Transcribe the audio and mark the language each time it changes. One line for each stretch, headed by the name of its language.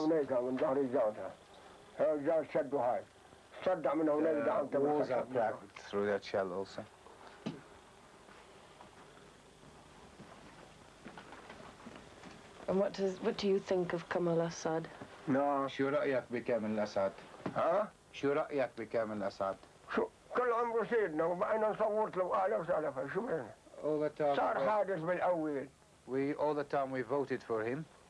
English: walls are cracked through that shell also. And what do you think of Kamal Asad? No.
Arabic: شو رأيك بكامل أسعد؟ ها؟ شو رأيك بكامل أسعد؟ شو كل عمره سيدنا وبعدين صورت له آلاف آلاف شو بعدين؟
English: All the time.
Arabic: صار حادث بالأول.
English: We all the time we voted for him.